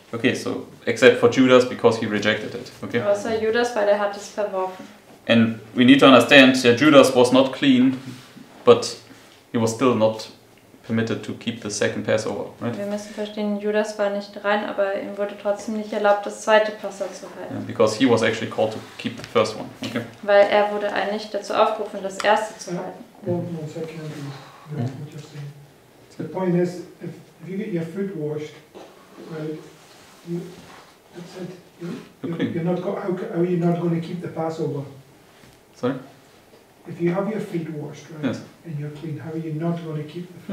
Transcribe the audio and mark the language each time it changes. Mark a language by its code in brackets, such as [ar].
[en] Okay, so, except for Judas, because he rejected it, okay? [de] Außer Judas, weil hat es verworfen. [en] And we need to understand, yeah, Judas was not clean, but he was still not permitted to keep the second Passover, right? [de] Wir müssen verstehen, Judas war nicht rein, aber ihm wurde trotzdem nicht erlaubt, das zweite Passa zu halten. [en] Yeah, because he was actually called to keep the first one, okay? [de] Weil wurde eigentlich dazu aufgerufen, das erste zu halten. [en] One second, what you're saying. The point is, if you get your foot washed, you're not going to keep the Passover. Sorry? If you have your feet washed, right? Yes. And you're clean, how are you not going to keep the feet?